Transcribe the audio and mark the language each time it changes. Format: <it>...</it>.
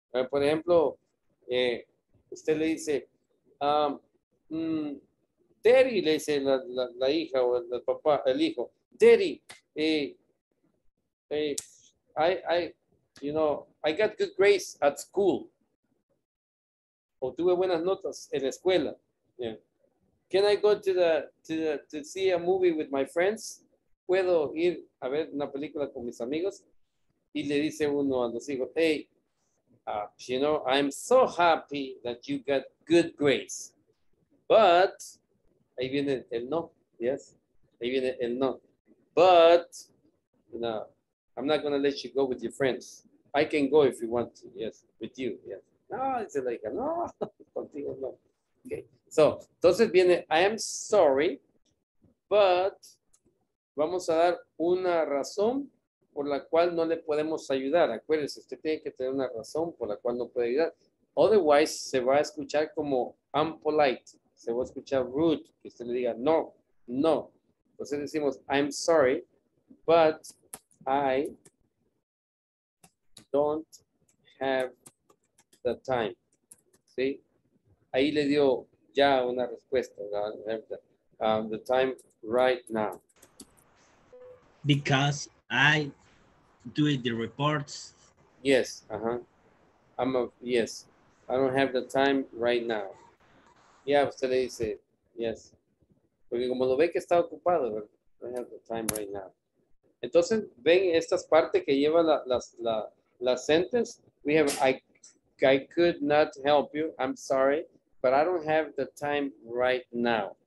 <es>Por ejemplo, usted le dice, Daddy, le dice la hija o el papá, el hijo,</es> <en>Daddy, I got good grades at school.</en> <es>O tuve buenas notas en la escuela. Yeah.</es> <en>Can I go to see a movie with my friends?</en> <es>¿Puedo ir a ver una película con mis amigos? Y le dice uno a los hijos,</es> <en>hey, you know, I'm so happy that you got good grades.</en> <es>But, ahí viene el no, yes. Ahí viene el no.</es> <en>But, no, I'm not going to let you go with your friends. I can go if you want to, yes, with you, yes.</en> <es>No,</es> <en>it's like, no,</en> <es>contigo no. Okay, so, entonces viene,</es> <en>I am sorry, but</en> <es>vamos a dar una razón por la cual no le podemos ayudar. Acuérdense, usted tiene que tener una razón por la cual no puede ayudar. Otherwise, se va a escuchar como unpolite. Se va a escuchar rude, que usted le diga no, no. Entonces decimos,</es> <en>I'm sorry, but I don't have the time.</en> <es>¿Sí? Ahí le dio ya una respuesta.</es> <en>The time right now. Because I do the reports. Yes, uh-huh. Yes, I don't have the time right now.</en> <es>Yeah, usted le dice, yes. Porque como lo ve que está ocupado,</es> <en>I have the time right now.</en> <es>Entonces, ven estas partes que lleva la sentence.</es> <en>We have, I could not help you, I'm sorry, but I don't have the time right now.</en>